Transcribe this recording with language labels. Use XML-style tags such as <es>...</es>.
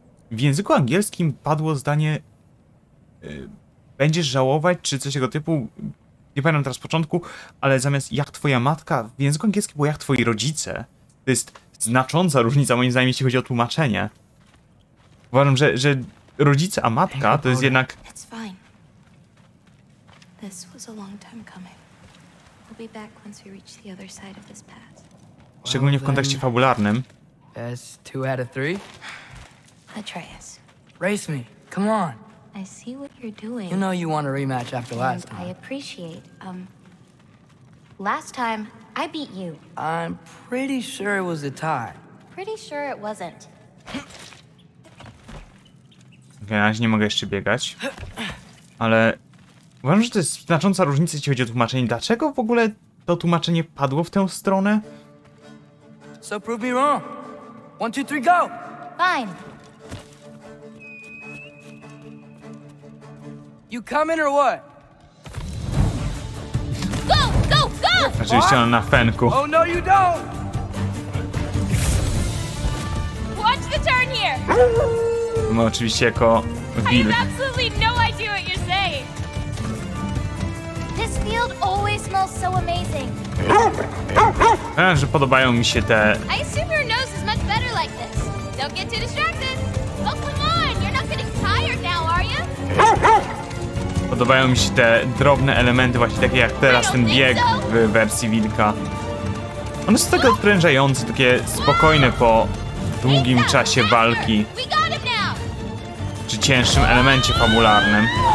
<pl>W języku angielskim padło zdanie: będziesz żałować, czy coś tego typu. Nie pamiętam teraz początku, ale zamiast jak twoja matka, w języku angielskim było jak twoi rodzice. To jest znacząca różnica, moim zdaniem, jeśli chodzi o tłumaczenie. Uważam, że rodzice, a matka, to jest jednak...</pl> <en>It's fine. This was a long time coming. We'll be back once we reach the other side of this path.</en> <pl>Szczególnie w kontekście fabularnym.</pl> <en>That's two out of three. Atreus. Race me. Come on. I see what you're doing. You know you want a rematch after and last time. I appreciate. Last time, I beat you. I'm pretty sure it was a tie. Pretty sure it wasn't.</en> <pl>Ja nie mogę jeszcze biegać, ale uważam, że to jest znacząca różnica, jeśli chodzi o tłumaczenie. Dlaczego w ogóle to tłumaczenie padło w tę stronę?</pl> <en>So prove me wrong. One, two, three, go! Fine. You coming or what? Go, go, go!</en> <pl>Oczywiście ona na fenku.</pl> <en>Oh no, you don't! Watch the turn here!</en> <pl>No, oczywiście jako wilk.</pl> <en>I have absolutely no idea what you're saying. This field always smells so amazing.</en> <pl>Że podobają mi się te.</pl> <en>I assume your nose is much better like this. Don't get too distracted. Oh, come on, you're not getting tired now, are you?</en> <pl>Podobają mi się te drobne elementy, właśnie takie jak teraz ten bieg w wersji wilka. One są takie odprężające, takie spokojne po długim czasie walki. Czy cięższym elemencie fabularnym.</pl>